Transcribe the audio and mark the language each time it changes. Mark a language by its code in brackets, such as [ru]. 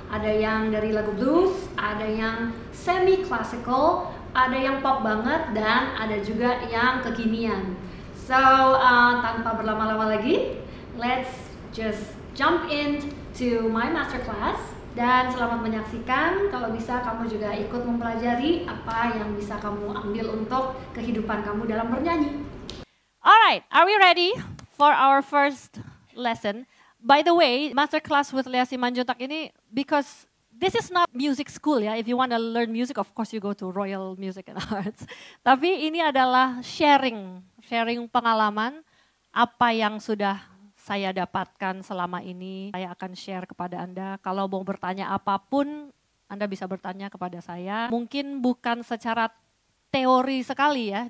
[id] Ada yang dari lagu blues, ada yang semi classical, ada yang pop banget, dan ada juga yang kekinian. [en] So, tanpa berlama-lama lagi, let's just jump into my masterclass. [id] Dan selamat menyaksikan, kalau bisa kamu juga ikut mempelajari apa yang bisa kamu ambil untuk kehidupan kamu dalam bernyanyi. [en] Alright, are we ready for our first lesson? By the way, masterclass with Lea Simanjuntak ini, because this is not music school ya. If you want to learn music, of course you go to Royal Music and Arts. [id] Tapi ini adalah sharing pengalaman apa yang sudah saya dapatkan selama ini. Saya akan share kepada Anda. Kalau mau bertanya apapun, Anda bisa bertanya kepada saya. Mungkin bukan secara teori sekali ya.